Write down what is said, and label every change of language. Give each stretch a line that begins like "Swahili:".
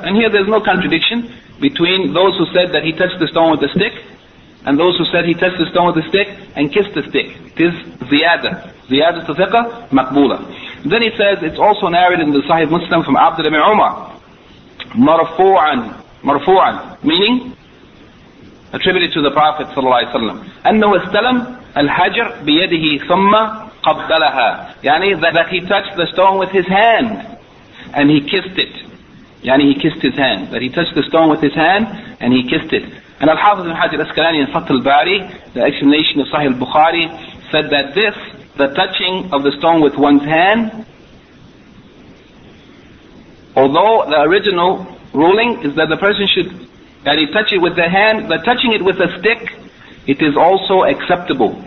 English: And here there's no contradiction between those who said that he touched the stone with a stick and those who said he touched the stone with a stick and kissed the stick. It is ziyadah. Ziyadah to thiqah, maqboola. Then he says it's also narrated in the Sahih Muslim from Abdul Ibn Umar. Marfu'an. Marfu'an. Meaning attributed to the Prophet ﷺ.
Arabic: أنه استلم الحجر بيده ثم قبلها. يعني
English: that he touched the stone with his hand and he kissed it.
Arabic: يعني
English: he kissed his hand. That he touched the stone with his hand and he kissed it. And Al-Hafiz ibn Hajar Asqalani in Fath al-Bari, the explanation of Sahih al-Bukhari, said that this, the touching of the stone with one's hand, although the original ruling is that the person should that he touch it with the hand, but touching it with a stick, it is also acceptable.